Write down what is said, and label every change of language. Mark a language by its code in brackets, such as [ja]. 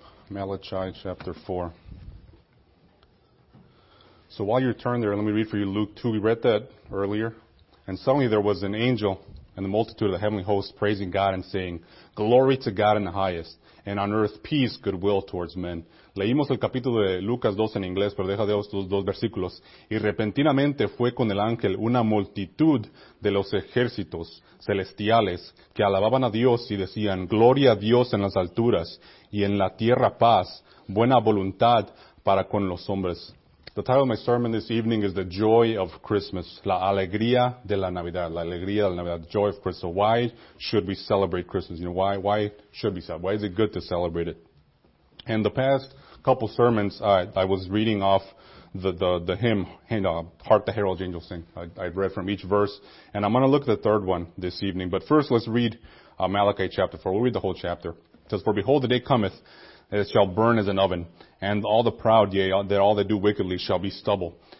[en] Malachi chapter 4. So while you're turning there, let me read for you Luke 2. We read that earlier. And suddenly there was an angel and the multitude of the heavenly hosts praising God and saying, "Glory to God in the highest, and on earth peace, goodwill towards men." [es] Leímos el capítulo de Lucas 2 en inglés, pero deja de los dos versículos. Y repentinamente fue con el ángel una multitud de los ejércitos celestiales que alababan a Dios y decían, "Gloria a Dios en las alturas, y en la tierra paz, buena voluntad para con los hombres." [en] The title of my sermon this evening is The Joy of Christmas. [es] La alegría de la Navidad. La alegría de la Navidad. [en] The joy of Christmas. So why should we celebrate Christmas? You know, why should we celebrate? Why is it good to celebrate it? In the past couple sermons, I was reading off the hymn, Hark the Herald Angels Sing. I read from each verse, and I'm going to look at the third one this evening. But first, let's read Malachi chapter 4. We'll read the whole chapter. It says, "For behold, the day cometh, and it shall burn as an oven, and all the proud, yea, that all that do wickedly shall be stubble.